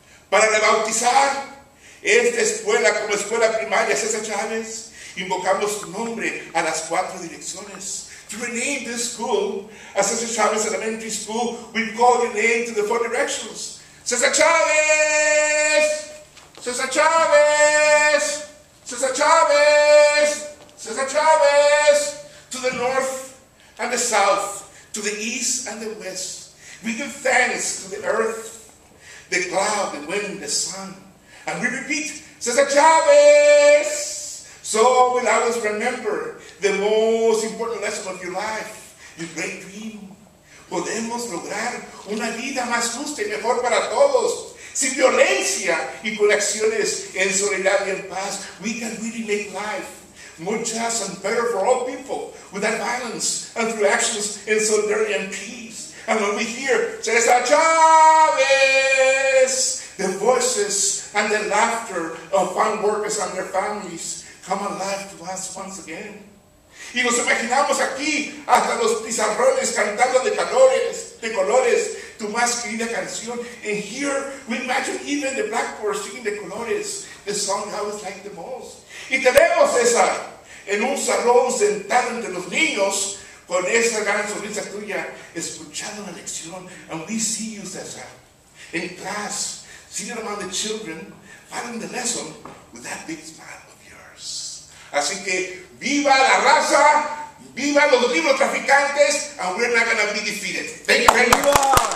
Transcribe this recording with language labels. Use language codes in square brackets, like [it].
[es] Para rebautizar esta escuela como escuela primaria, César Chávez, invocamos tu nombre a las cuatro direcciones. [en] To rename this school as César Chávez Elementary School, we call your name to the four directions. César Chávez! César Chávez! César Chávez! César Chávez! To the north and the south, to the east and the west, we give thanks to the earth, the cloud, the wind, the sun. And we repeat, Cesar Chavez. So will always remember the most important lesson of your life, your great dream. [es] Podemos lograr una vida más justa y mejor para todos, sin violencia y con acciones en soledad y en paz. [en] We can really make life more just and better for all people without violence and through actions in solidarity and peace. And when we hear Cesar Chavez, the voices and the laughter of farm workers and their families come alive to us once again. [es] Y nos imaginamos aquí hasta los pizarrones cantando de colores tu más querida canción. [en] And here we imagine even the blackboard singing de colores, the song I always like the most. [es] Y tenemos esa en un salón sentado entre los niños con esa gran sonrisa tuya escuchando la lección. [en] And we see you, César, in class, sitting among the children, following the lesson with that big smile of yours. [es] Así que, viva la raza, viva los libros traficantes, [en] and we're not going to be defeated. Thank you very much.